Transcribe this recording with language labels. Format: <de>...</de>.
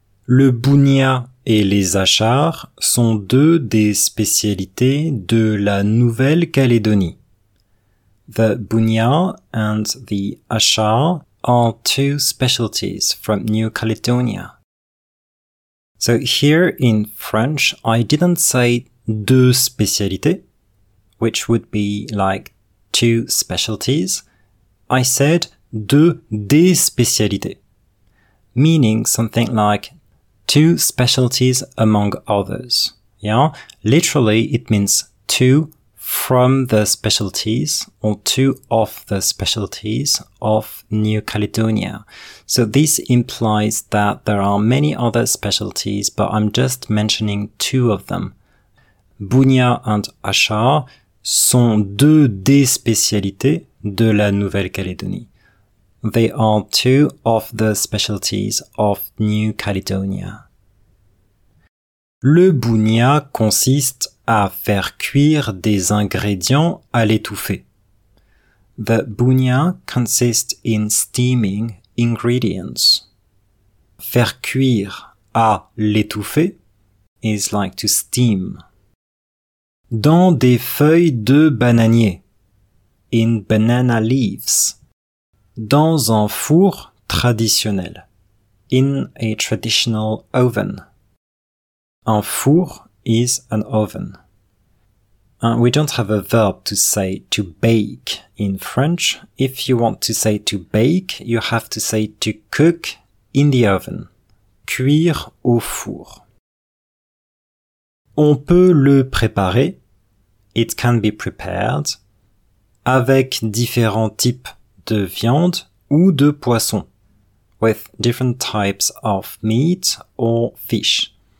<fr>Le bounia et les achars sont deux des spécialités de la Nouvelle-Calédonie.</fr> <en>The bunya and the achar are two specialties from New Caledonia. So here in French, I didn't say</en> <fr>deux spécialités,</fr> <en>which would be like two specialties. I said</en> <fr>deux des spécialités,</fr> <en>meaning something like two specialties among others. Yeah, literally it means two from the specialties or two of the specialties of New Caledonia. So this implies that there are many other specialties, but I'm just mentioning two of them.</en> <fr>Bunya and achar sont deux des spécialités de la Nouvelle-Calédonie.</fr> <en>They are two of the specialties of New Caledonia.</en> <fr>Le bunya consiste à faire cuire des ingrédients à l'étouffée.</fr> <en>The bunya consists in steaming ingredients.</en> <fr>Faire cuire à l'étouffée</fr> <en>is like to steam.</en> <fr>Dans des feuilles de bananier.</fr> <en>In banana leaves.</en> <fr>Dans un four traditionnel.</fr> <en>In a traditional oven.</en> <fr>Un four</fr> <en>is an oven. We don't have a verb to say to bake in French. If you want to say to bake, you have to say to cook in the oven.</en> <fr>Cuire au four. On peut le préparer.</fr> <en>It can be prepared.</en> <fr>Avec différents types de viande ou de poisson.</fr> <en>With different types of meat or fish.</en>